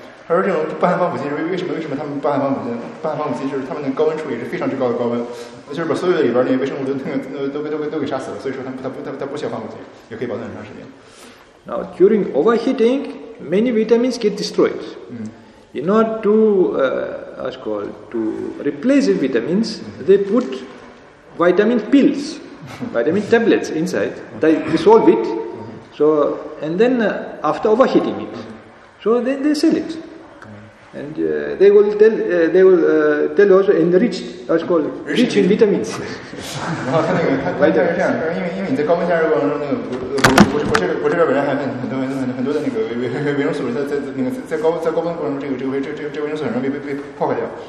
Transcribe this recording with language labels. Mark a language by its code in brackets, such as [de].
[zh] 他说这种不含防腐剂是为什么他们不含防腐剂？不含防腐剂就是他们的高温处理是非常之高的高温，就是把所有的里边那些微生物都给杀死了，所以说他不需要防腐剂，也可以保存很长时间。 [en] Now, during overheating, many vitamins get destroyed. In order to, to replace the vitamins, they put vitamin pills, vitamin tablets inside, they dissolve it, so, and then after overheating it, so then they sell it. And they will tell also enriched, that's called, rich in vitamins. [zh] 然后他那个他这样，因为你在高温加热过程中，那个我这边本来还很多的那个维生素在高温过程中，这个维生素很容易被破坏掉。